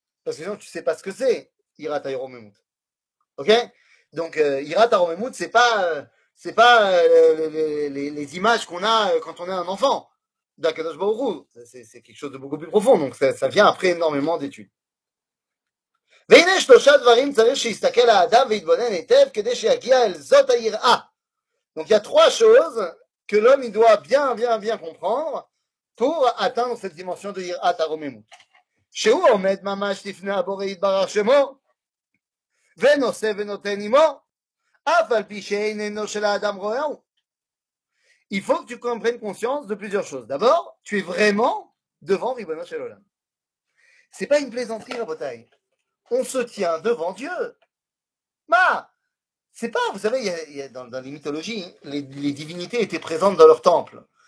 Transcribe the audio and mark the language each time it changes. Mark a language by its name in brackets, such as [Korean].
[French] Parce que sinon, tu ne sais pas ce que c'est, Yirat HaRoméimut. Ok ? Donc, Yirat HaRoméimut, ce n'est pas, c'est pas les images qu'on a quand on est un enfant d'Akadosh Baruch Hu. C'est quelque chose de beaucoup plus profond. Donc, ça vient après énormément d'études. [Hebrew] והנה שלושה דברים צריך שיסתכל האדם ויתבונן היטב כדי שיגיע אל זאת היראה. [French] Donc, il y a trois choses que l'homme doit bien, bien, bien comprendre pour atteindre cette dimension de יראת הרוממות. [Hebrew] שהוא עומד ממש לפני הבורא יתברך שמו, ונושא ונותן עמו, אף על פי שאיננו של האדם רואהו. [French] Il faut que tu comprennes conscience de plusieurs choses. D'abord, tu es vraiment devant ריבונו של עולם. C'est pas une plaisanterie, רבותיי. On se tient devant Dieu. Bah, c'est pas, vous savez, y a dans les mythologies, les divinités étaient présentes dans leur temple.